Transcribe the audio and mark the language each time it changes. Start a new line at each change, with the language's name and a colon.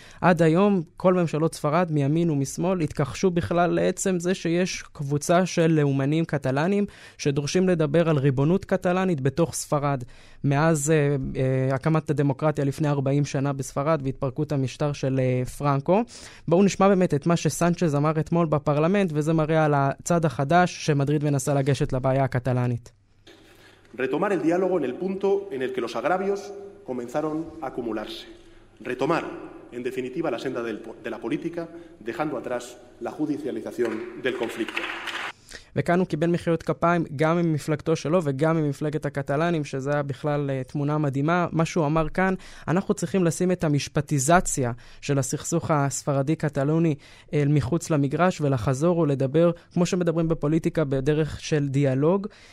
Hebrew: עד היום כל ממשלות ספרד מימין ומשמאל התכחשו בכלל לעצם זה שיש קבוצה של לאומנים קטלנים שדורשים לדבר על ריבונות קטלנית בתוך ספרד. מאז הקמת הדמוקרטיה לפני 40 שנה בספרד והתפרקות המשטר של פרנקו. בואו נשמע באמת את מה שסנצ'ז אמר אתמול בפרלמנט, וזה מראה על הצד החדש שמדריד מנסה לגשת לבעיה הקטלנית.
Spanish: Retomar el diálogo en el punto en el que los agravios comenzaron a acumularse. Retomar, en definitiva, la senda de la política, dejando atrás la judicialización del conflicto.
Hebrew: וכאן הוא קיבל מחיאות כפיים גם ממפלגתו שלו וגם ממפלגת הקטלנים, שזה היה בכלל תמונה מדהימה. מה שהוא אמר כאן, אנחנו צריכים לשים את המשפטיזציה של הסכסוך הספרדי-קטלוני אל מחוץ למגרש ולחזור ולדבר, כמו שמדברים בפוליטיקה, בדרך של דיאלוג.